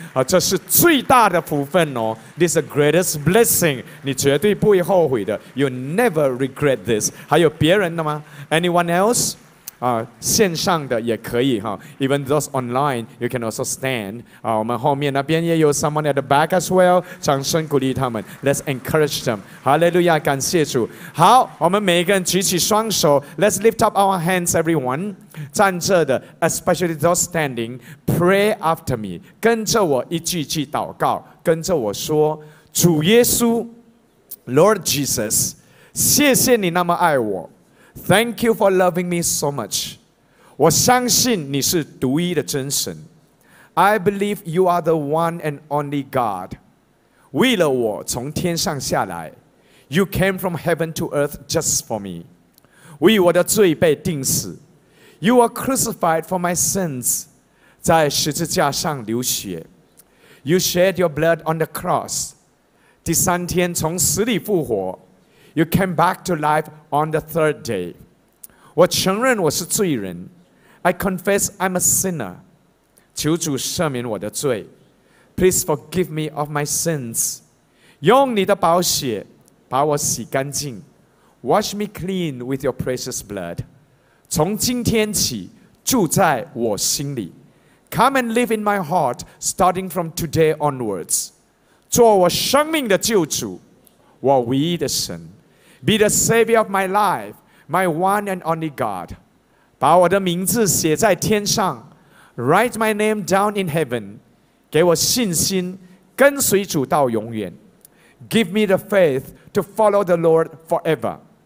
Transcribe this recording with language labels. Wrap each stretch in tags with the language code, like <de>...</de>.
<zh>啊、这是最大的福分哦</zh> <en>This is the greatest blessing</en> <zh>你绝对不会后悔的</zh> <en>You never regret this</en> <zh>还有别人</zh> <en>Anyone else?、</en> <zh>线上的也可以、huh?</zh> <en>Even those online, you can also stand.、</en> <zh>我们后面那边也有</zh> <en>someone at the back as well.</en> <zh>掌声鼓励他们。</zh> <en>Let's encourage them.</en> <zh>Hallelujah, 感谢主。好，我们每一个人举起双手。</zh> <en>Let's lift up our hands, everyone.</en> <zh>站着的</zh> <en>especially those standing, pray after me.</en> <zh>跟着我一句句祷告。跟着我说，主耶稣 Lord Jesus, 谢谢你那么爱我。</zh> <en>Thank you for loving me so much.</en> <zh>我相信你是独一的真神。</zh> <en>I believe you are the one and only God.</en> <zh>为了我从天上下来。</zh> <en>You came from heaven to earth just for me.</en> <zh>为我的罪被钉死。</zh> <en>You were crucified for my sins.</en> <zh>在十字架上流血。</zh> <en>You shed your blood on the cross.</en> <zh>第三天从死里复活。</zh> <en>You came back to life on the third day.</en> <zh>我承认我是罪人。</zh> <en>I confess I'm a sinner.</en> <zh>求主赦免我的罪。</zh> <en>Please forgive me of my sins.</en> <zh>用你的宝血把我洗干净。</zh> <en>Wash me clean with your precious blood.</en> <zh>从今天起住在我心里。</zh> <en>Come and live in my heart starting from today onwards.</en> <zh>做我生命的救主，我唯一的神。</zh> <en>Be the savior of my life, my one and only God.</en> <zh>把我的名字写在天上</zh> <en>Write my name down in heaven.</en> <zh>给我信心跟随主到永远</zh> <en>Give me the faith to follow the Lord forever.</en>